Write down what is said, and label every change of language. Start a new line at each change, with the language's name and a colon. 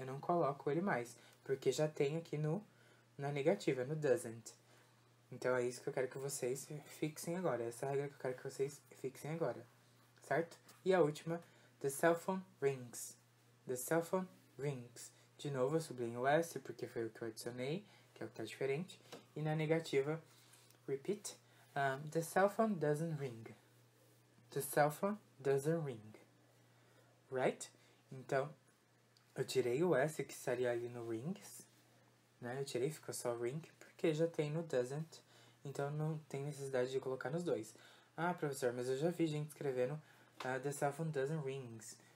Portuguese: Eu não coloco ele mais, porque já tem aqui na negativa, no doesn't. Então, é isso que eu quero que vocês fixem agora. Essa é a regra que eu quero que vocês fixem agora, certo? E a última,
English: the cell phone rings. The cell phone rings.
Portuguese: De novo, eu sublinho o S, porque foi o que eu adicionei, que é o que tá diferente. E na negativa,
English: repeat, the cell phone doesn't ring. The cell phone doesn't ring. Right?
Portuguese: Então, eu tirei o S que estaria ali no rings. Né? Eu tirei, ficou só ring, porque já tem no doesn't. Então, não tem necessidade de colocar nos dois. Ah, professor, mas eu já vi gente escrevendo
English: the cell phone doesn't rings.